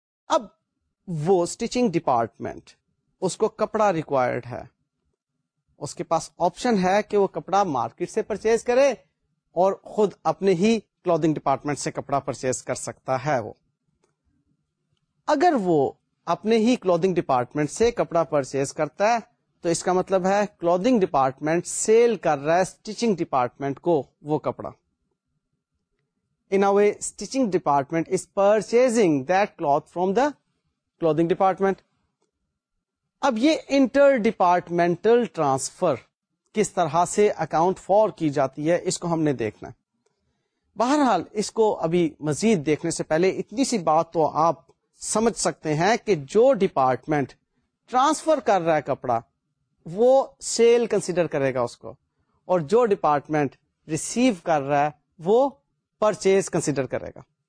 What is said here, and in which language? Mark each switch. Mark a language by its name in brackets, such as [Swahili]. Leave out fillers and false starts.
[Urdu] اب وہ stitching department, اس کو کپڑا ریکوائرڈ ہے, اس کے پاس آپشن ہے کہ وہ کپڑا مارکیٹ سے پرچیز کرے اور خود اپنے ہی کلودنگ ڈپارٹمنٹ سے کپڑا پرچیز کر سکتا ہے. وہ اگر وہ اپنے ہی کلودنگ ڈپارٹمنٹ سے کپڑا پرچیز کرتا ہے تو اس کا مطلب ہے کلودنگ ڈپارٹمنٹ سیل کر رہا ہے سٹیچنگ ڈپارٹمنٹ کو وہ کپڑا. [English] In a way, stitching department is purchasing that cloth from the clothing department. [Urdu] اب یہ انٹر ڈپارٹمنٹل ٹرانسفر کس طرح سے اکاؤنٹ فور کی جاتی ہے اس کو ہم نے دیکھنا ہے. بہرحال اس کو ابھی مزید دیکھنے سے پہلے اتنی سی بات تو آپ سمجھ سکتے ہیں کہ جو ڈپارٹمنٹ ٹرانسفر کر رہا ہے کپڑا وہ سیل کنسیڈر کرے گا اس کو, اور جو ڈپارٹمنٹ ریسیو کر رہا ہے وہ پرچیز کنسیڈر کرے گا.